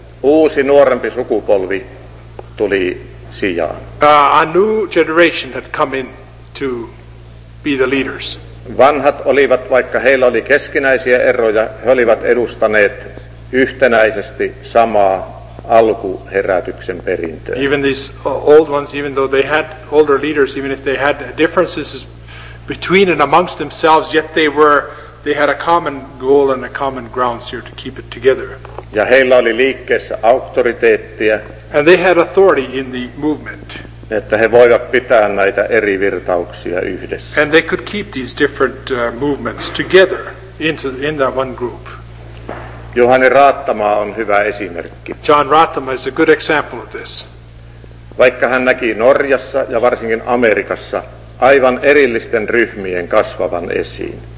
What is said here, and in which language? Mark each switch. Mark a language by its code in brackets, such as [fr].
[fi] Uusi nuorempi sukupolvi tuli sijaan. [en] A new generation had come in to be the leaders. [fi] Vanhat olivat, vaikka heillä oli keskinäisiä eroja, he olivat edustaneet yhtenäisesti samaa alkuherätyksen perintöä. [en] Even these old ones, even though they had older leaders, even if they had differences between and amongst themselves, yet they had a common goal and a common ground here to keep it together. [fi] Ja heillä oli liikkeessä auktoriteettia. [en] And they had authority in the movement. [fi] Että he voivat pitää näitä eri virtauksia yhdessä. [en] And they could keep these different movements together in that one group. [fi] Johanne Raattama on hyvä esimerkki. [en] John Raattama is a good example of this. [fi] Vaikka hän näki Norjassa ja varsinkin Amerikassa aivan erillisten ryhmien kasvavan esiin.